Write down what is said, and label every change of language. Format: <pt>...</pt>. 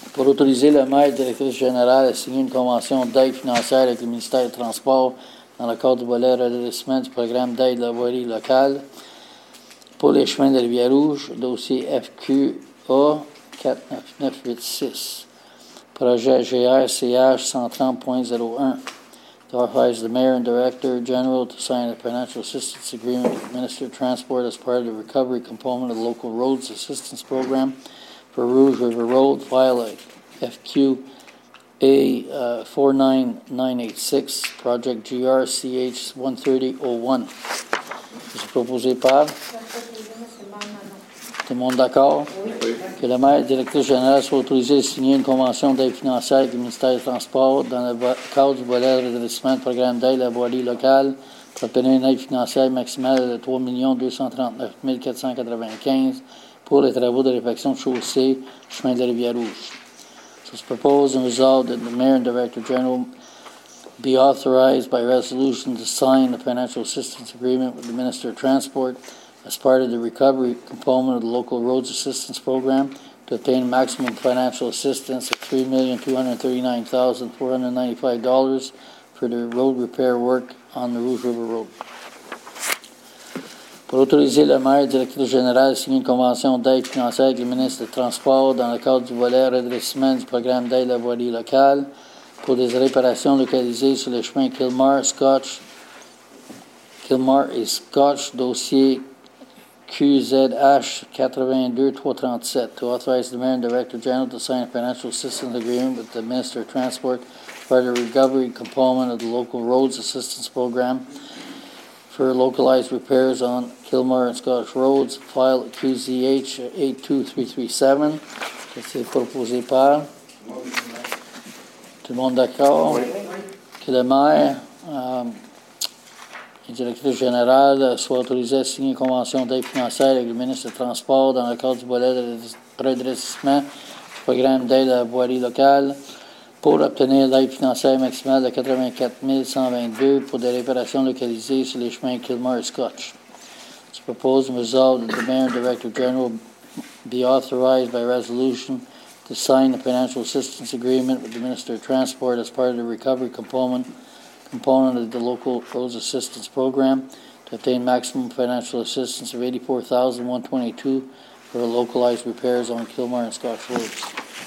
<fr>Pour autoriser le maire et directrice générale à signer une convention d'aide financière avec le ministère des Transports dans le cadre du volet redressement du programme d'aide de la voirie locale pour les chemins de Rivière-Rouge, dossier FQA-49986, projet GRCH-130.01.</fr> <en>To authorize the Mayor and Director General to sign a financial assistance agreement with the Minister of Transport as part of the recovery component of the Local Roads Assistance Program for Rouge River Road, file FQA-49986, Project GRCH-130-01.</en> <fr>C'est proposé par? Tout le monde d'accord? Oui. Que le maire et directeur général soit autorisé à signer une convention d'aide financière avec le ministère des Transports dans le cadre du volet de redressement du programme d'aide à la voirie locale pour obtenir une aide financière maximale de 3 239 495 pour les travaux de réfection de chaussée chemin de Rivière-Rouge.</fr> <en>So it's proposed and resolved that the mayor and director general be authorized by resolution to sign the financial assistance agreement with the Minister of Transport as part of the recovery component of the local roads assistance program to obtain maximum financial assistance of $3,239,495 for the road repair work on the Rouge River Road.</en> <fr>Pour autoriser le maire et directeur général à signer une convention d'aide financière avec le ministre des Transports dans le cadre du volet redressement du programme d'aide à la voirie locale pour des réparations localisées sur les chemins Kilmar et Scotch, dossier QZH-82-337.</fr> <en>To authorize the mayor and director general to sign a financial assistance agreement with the Minister of Transport for the recovery component of the local roads assistance program for localized repairs on Kilmar and Scottish Roads, file QZH-82337.</en> <fr>Qu'est-ce qui est proposé par? Tout le monde d'accord? Oui. Que le maire, le directeur général, soit autorisé à signer une convention d'aide financière avec le ministre des Transports dans le cadre du volet de redressement du programme d'aide à la voirie locale pour obtenir l'aide financière maximale de 84 122 pour des réparations localisées sur les chemins Kilmar et Scotch.</fr> <en>To propose and resolve that the mayor and director general be authorized by resolution to sign the financial assistance agreement with the Minister of Transport as part of the recovery component of the local roads assistance program to obtain maximum financial assistance of $84,122 for localized repairs on Kilmar and Scotch roads.</en>